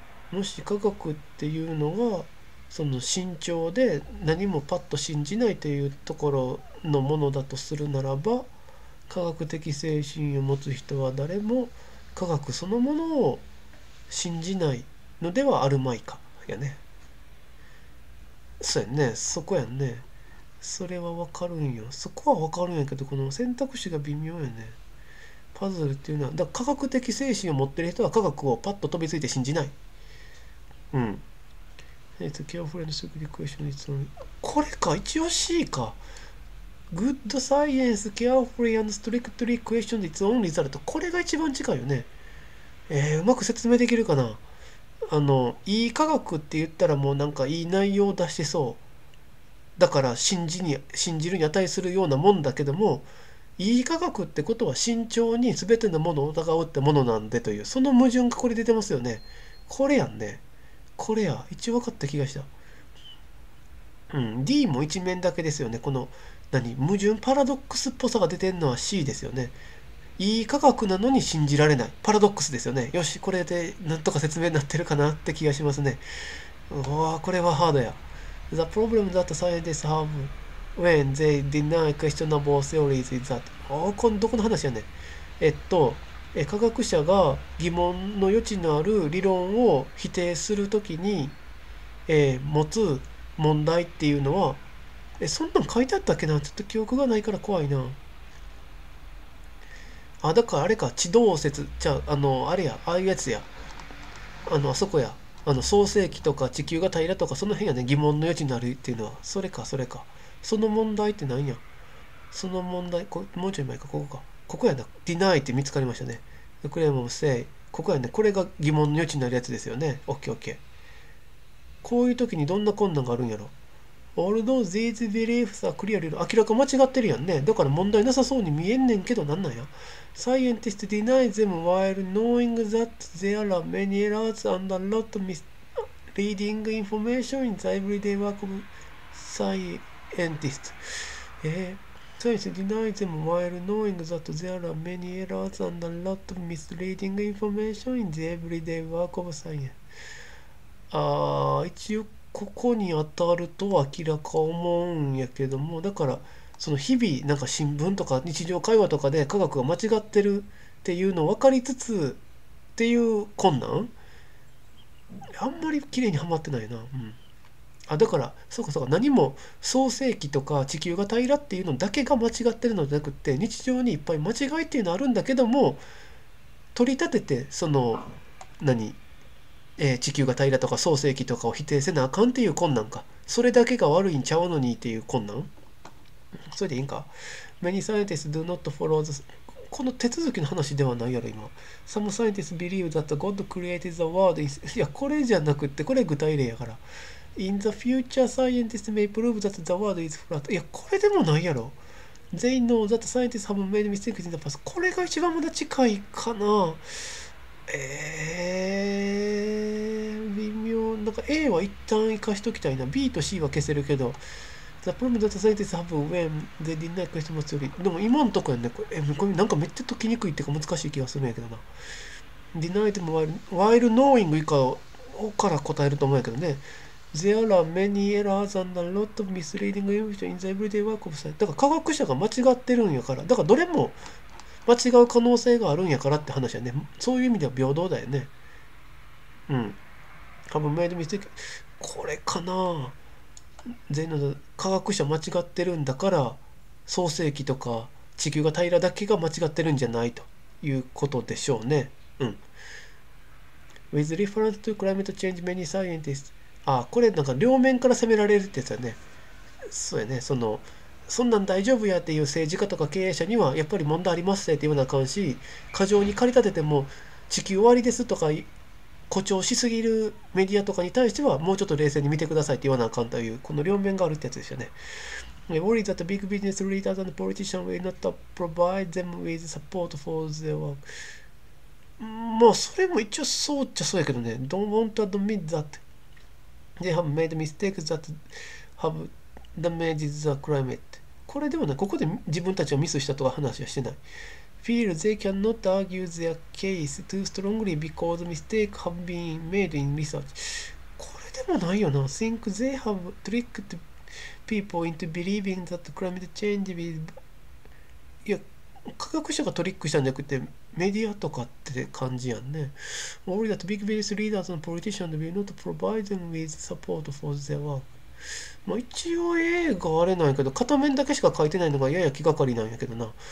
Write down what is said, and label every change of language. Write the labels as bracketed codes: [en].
[ja] もし科学っていうのが、その慎重で何もパッと信じないというところのものだとするならば、科学的精神を持つ人は誰も科学そのものを信じないのではあるまいか。やね。そうやね。そこやんね。それはわかるんよ。そこはわかるんやけど、この選択肢が微妙やね。パズルっていうのは、だから科学的精神を持ってる人は科学をパッと飛びついて信じない。 [en] It's a careful and strictly question its own。 [ja] これか、一応 C か。 [en] Good science carefully and strictly question its own result。 [ja] これが一番近いよね。うまく説明できるかな。いい科学って言ったら、もうなんかいい内容を出してそう。だから信じるに値するようなもんだけども、いい科学ってことは慎重に全てのものを疑うってものなんでという、その矛盾がこれ出てますよね。これやんね。これや。一応分かった気がした。 D も一面だけですよね。この何、矛盾パラドックスっぽさが出てんのは C ですよね。いい科学なのに信じられない。パラドックスですよね。よし、これでなんとか説明になってるかなって気がしますね。うわー、これはハードや。 [en] The problem that scientists have when they deny questionable theories is that。 [ja] どこの話やね。科学者が疑問の余地のある理論を否定するときに、持つ問題っていうのは、そんなん書いてあったっけな。ちょっと記憶がないから怖いな。あ、だからあれか、地動説。じゃあ、あれや、ああいうやつや。あそこや。創世記とか地球が平らとか、その辺やね、疑問の余地になるっていうのは。それか、それか。その問題って何や。その問題、もうちょい前か、ここか。ここやな。ディナイって見つかりましたね。ウクレームセイ。ここやね。これが疑問の余地になるやつですよね。オッケーオッケー。こういう時にどんな困難があるんやろ。 [en] Although these beliefs are clearly [ja] 明らか間違ってるやんね。だから問題なさそうに見えんねんけど、なんなんや。 [en] Scientists deny them while knowing that there are many errors and a lot of misleading information in the everyday work of scientists. Scientists deny them while knowing that there are many errors and a lot of misleading information in the everyday work of science. [ja] ああ、一応ここに当たると明らか思うんやけども、だからその日々なんか新聞とか日常会話とかで科学が間違ってるっていうのを分かりつつっていう困難、あんまり綺麗にはまってないな。あ、だからそうかそうか、何も創世記とか地球が平らっていうのだけが間違ってるのじゃなくて、日常にいっぱい間違いっていうのあるんだけども、取り立ててその何、地球が平らとか創世記とかを否定せなあかんっていう困難か。それだけが悪いんちゃうのにっていう困難。それでいいんか。 [en] Many scientists do not follow the... [ja] この手続きの話ではないやろ、今。 [en] Some scientists believe that God created the world in... [ja] いや、これじゃなくって、これ具体例やから。 [en] In the future, scientists may prove that the world is flat. [ja] いや、これでもないやろ。 [en] They know that scientists have made mistakes in the past. [ja] これが一番まだ近いかな。微妙。なんか A は一旦生かしときたいな。 B と C は消せるけど。 [en] The problem that scientists have when they deny Christmas theory. [ja] でも今んとこやね。これなんかめっちゃ解きにくいっていうか難しい気がするんやけどな。 [en] Deny them while knowing [ja] 以下から答えると思うんやけどね。 [en] There are many errors and a lot of misleading information in the everyday work of science. [ja] だから科学者が間違ってるんやから。だからどれも間違う可能性があるんやからって話やね。そういう意味では平等だよね。多分メイドミステイク。これかな。全の科学者間違ってるんだから、創世記とか地球が平らだけが間違ってるんじゃないということでしょうね。 [en] With reference to climate change, many scientists. [ja] あ、これなんか両面から責められるってやつだね。そうやね。そんなん大丈夫やっていう政治家とか経営者にはやっぱり問題ありますって言わなあかんし、過剰に駆り立てても地球終わりですとか誇張しすぎるメディアとかに対してはもうちょっと冷静に見てくださいって言わなあかんという、この両面があるってやつですよね。 [en] Worry that the big business leaders and politicians will not provide them with support for their work。 [ja] まあそれも一応そうっちゃそうやけどね。 [en] Don't want to admit that they have made mistakes that have damaged the climate。 [ja] これでもね、ここで自分たちはミスしたとか話はしてない。 [en] Feel they cannot argue their case too strongly because mistakes have been made in research。 [ja] これでもないよな。 [en] Think they have tricked people into believing that climate change is... [ja] いや、科学者がトリックしたんじゃなくて、メディアとかって感じやんね。 [en] Worry that big business leaders and politicians will not provide them with support for their work。 [ja] まあ、一応 A があれなんやけど、片面だけしか書いてないのがやや気がかりなんやけどな。